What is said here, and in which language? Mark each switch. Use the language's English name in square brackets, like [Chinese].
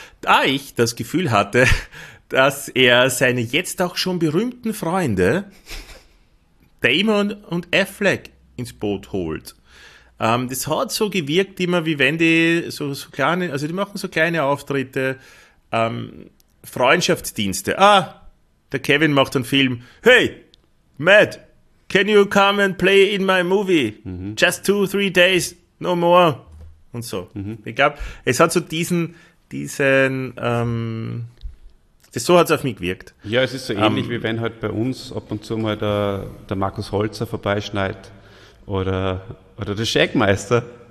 [German] Da ich das Gefühl hatte, dass er seine jetzt auch schon berühmten Freunde Damon und Affleck ins Boot holt. Das hat so gewirkt immer, wie wenn die so kleine, also die machen so kleine Auftritte, Freundschaftsdienste. Ah, der Kevin macht einen Film. [English] Hey, Matt, can you come and play in my movie? Mhm. Just 2-3 days, no more. [German] Und so. [English] Mhm. [German] Ich glaube, es hat so so hat es auf mich gewirkt. Ja, es ist so ähnlich, wie wenn halt bei uns ab und zu mal der Markus Holzer vorbeischneit oder der Schägmeister.